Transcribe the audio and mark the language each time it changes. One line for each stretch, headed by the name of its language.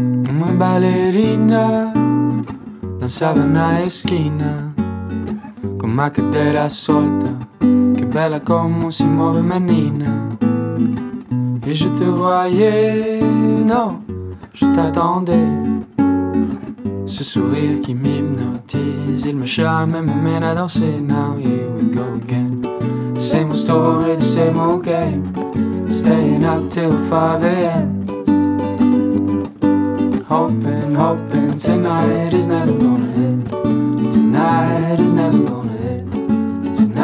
Portuguese: Uma ballerina dançava na esquina com uma cadeira solta. Que bela como se move, menina.
French: E je te voyais, non, je t'attendais. Ce sourire qui m'hypnotise, il me charme et me mène à danser.
English: Now here we go again. Same old story, the same old game. Staying up till 5 a.m. Hoping, hoping tonight is never gonna end. Tonight is never gonna end.